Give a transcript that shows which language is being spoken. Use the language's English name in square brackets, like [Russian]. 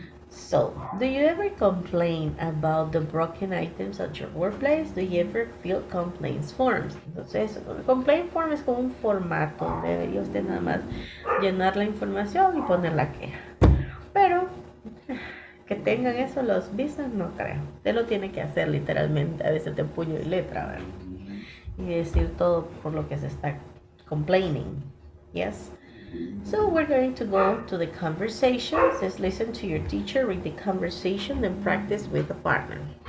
[English] So, do you ever complain about the broken items at your workplace? Do you ever fill complaints forms? [Spanish] Entonces, un complaint form es como un formato donde debería usted nada más llenar la información y poner la queja. Pero que tengan eso los business, no creo. Usted lo tiene que hacer literalmente, a veces de puño y letra, ¿verdad? Y decir todo por lo que se está complaining. [English] Yes. So we're going to go to the conversation. It says listen to your teacher, read the conversation, then practice with the partner.